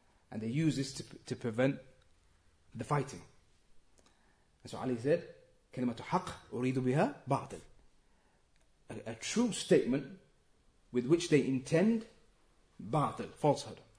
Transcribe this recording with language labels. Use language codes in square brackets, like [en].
[en] And they use this to prevent the fighting. And so Ali said, [ar] كلمة حق أريد بها باطل. [en] A true statement with which they intend باطل, falsehood.